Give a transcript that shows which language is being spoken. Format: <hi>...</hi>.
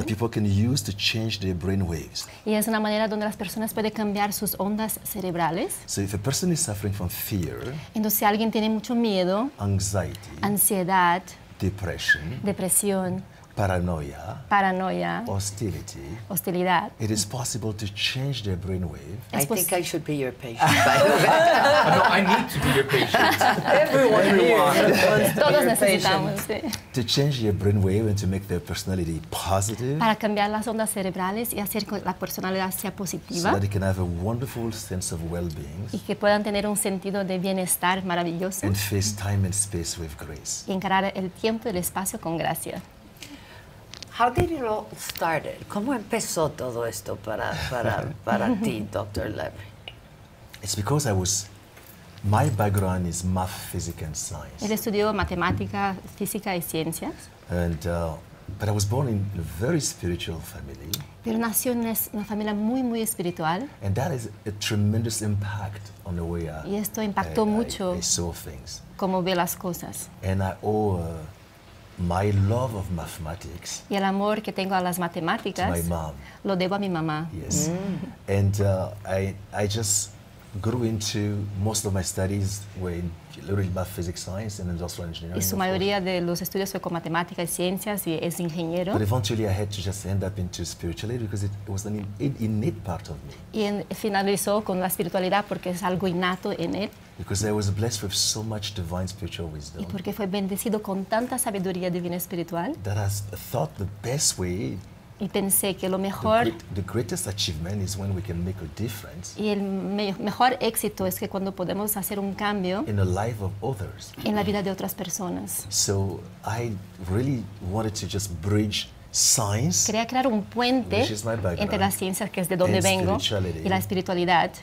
<en>That people can use to change their brain waves.</en> <es>Y es una manera donde las personas pueden cambiar sus ondas cerebrales.</es> <en>So if a person is suffering from fear.</en> <es>Entonces si alguien tiene mucho miedo.</es> <en>Anxiety.</en> <es>Ansiedad.</es> <en>Depression.</en> <es>Depresión.</es> <en>Paranoia.</en> <es>Paranoia.</es> <en>Hostility.</en> <es>Hostilidad.</es> <en>It is possible to change their brainwave. I think I should be your patient, by the way. No, I need to be your patient. Everyone wants to be your patient. To change your brainwave and to make their personality positive.</en> <es>Para cambiar las ondas cerebrales y hacer que la personalidad sea positiva.</es> <en>So that they can have a wonderful sense of well-being.</en> <es>Y que puedan tener un sentido de bienestar maravilloso.</es> <en>And face time and space with grace.</en> <es>Y encarar el tiempo y el espacio con gracia.</es> <en>How did it all start?</en> <es>¿Cómo empezó todo esto para ti, Dr. Levy?</es> <en>It's because my background is math, physics, and science.</en> <es>Él estudió matemática, física y ciencias.</es> <en>But I was born in a very spiritual family.</en> <es>Pero nació en una familia muy, muy espiritual.</es> <en>And that is a tremendous impact on the way</en> <es>y esto impactó mucho</es> <en>I saw things.</en> <es>Cómo ve las cosas.</es> <en>And I owe my love of mathematics.</en> <es>Y el amor que tengo a las matemáticas.</es> <en>My mom.</en> <es>Lo debo a mi mamá.</es> <en>Yes. Mm. And I just grew into most of my studies were in literally math, physics, science, and industrial engineering.</en> <es>Y su mayoría de los estudios fue con matemáticas y ciencias y es ingeniero.</es> <en>But eventually I had to just end up into spirituality because it was an innate part of me.</en> <es>Y finalizó con la espiritualidad porque es algo innato en él.</es> <en>Because I was blessed with so much divine spiritual wisdom.</en> <es>Y porque fue bendecido con tanta sabiduría divina espiritual.</es> <en>That I thought the best way.</en> <es>Y pensé que lo mejor.</es> <en>The greatest achievement is when we can make a difference.</en> <es>Y el mejor éxito es que cuando podemos hacer un cambio.</es> <en>In the life of others.</en> <es>En la vida de otras personas.</es> <en>So I really wanted to just bridge science.</en> <es>Quería crear un puente entre las ciencias, que es de donde vengo, y la espiritualidad.</es>